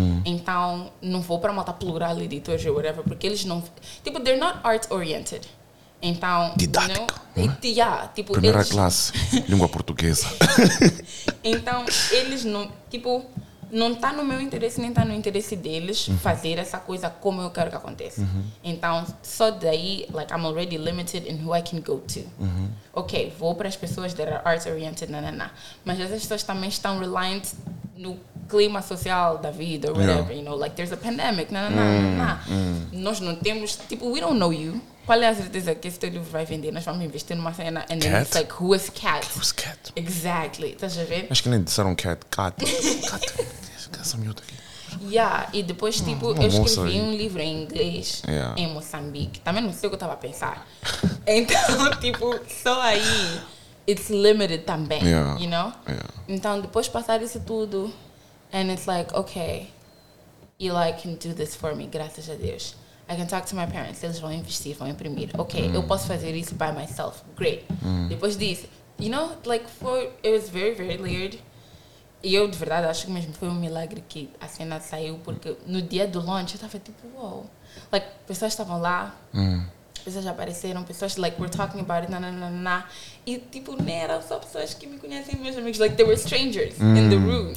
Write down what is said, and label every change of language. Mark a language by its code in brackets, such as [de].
[pt] Então, não vou para matar plural editores ou whatever, porque eles não. [en] Tipo, they're not art oriented. Então, didático, you know, [pt] não é? Yeah, tipo, primeira eles... classe, língua portuguesa. Então, eles não, tipo, não está no meu interesse, nem está no interesse deles fazer essa coisa como eu quero que aconteça. Então, só daí, [en] like, I'm already limited in who I can go to. [pt] Ok, vou para as pessoas [en] that are art oriented, [pt] nananá. Mas essas pessoas também estão reliant no clima social da vida, [en] or whatever, yeah. You know, like, there's a pandemic, [pt] nananá, nananá. Nós não temos, tipo, [en] we don't know you. [pt] Qual é a certeza que esse teu livro vai vender? Nós vamos investir numa cena. [en] And then it's like, who is Cat? Who's Cat? [pt] Exactly. Estás a ver? Acho que nem disseram Cat. Cat. Essa miúda aqui. [en] Yeah. [pt] E depois, tipo, eu escrevi um livro em inglês. [en] Yeah. [pt] Em Moçambique. Também não sei o que eu estava a pensar. Então, tipo, só aí. [en] It's limited [pt] também. [en] Yeah. You know? Yeah. [pt] Então, depois passar isso tudo. [en] And it's like, okay. Eli can do this for me. [pt] Graças a Deus. [en] I can talk to my parents. [pt] Eles vão investir, vão imprimir. Ok, eu posso fazer isso [en] by myself. Great. [pt] Depois disso, [en] you know, like, for, it was very, very weird. [pt] E eu, de verdade, acho que mesmo foi um milagre que a cena saiu, porque no dia do launch, eu estava tipo, [en] wow. [pt] Like, pessoas estavam lá, pessoas já apareceram, pessoas, like, [en] were talking about it, [pt] na. E, tipo, não eram só pessoas que me conhecem, meus amigos. [en] Like, they were strangers in the room.